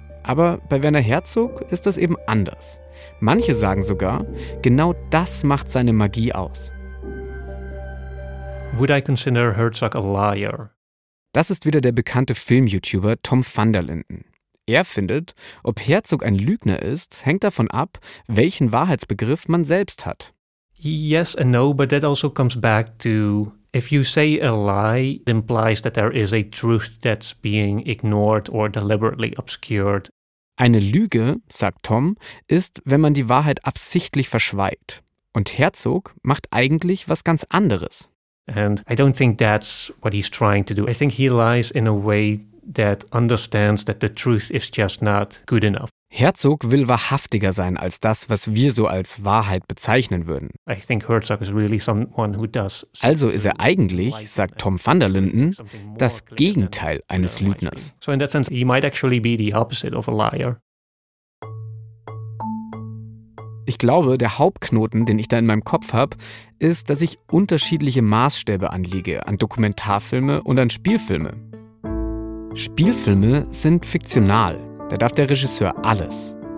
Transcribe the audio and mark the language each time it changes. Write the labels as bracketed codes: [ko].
[de] Aber bei Werner Herzog ist das eben anders. Manche sagen sogar, genau das macht seine Magie aus. [en] Would I consider Herzog a liar? [de] Das ist wieder der bekannte Film-YouTuber Tom van der Linden. Er findet, ob Herzog ein Lügner ist, hängt davon ab, welchen Wahrheitsbegriff man selbst hat. [en] Yes and no, but that also comes back to if you say a lie, it implies that there is a truth that's being ignored or deliberately obscured. [de] Eine Lüge, sagt Tom, ist, wenn man die Wahrheit absichtlich verschweigt. Und Herzog macht eigentlich was ganz anderes. [en] And I don't think that's what he's trying to do. I think he lies in a way that understands that the truth is just not good enough. [de] Herzog will wahrhaftiger sein als das, was wir so als Wahrheit bezeichnen würden. [en] I think Herzog is really someone who does. [de] Also ist er eigentlich, sagt Tom van der Linden, das Gegenteil eines Lügners. [en] So in that sense he might actually be the opposite of a liar. [de] Ich glaube, der Hauptknoten, den ich da in meinem Kopf habe, ist, dass ich unterschiedliche Maßstäbe anlege an Dokumentarfilme und an Spielfilme. Spielfilme sind fiktional, da darf der Regisseur alles.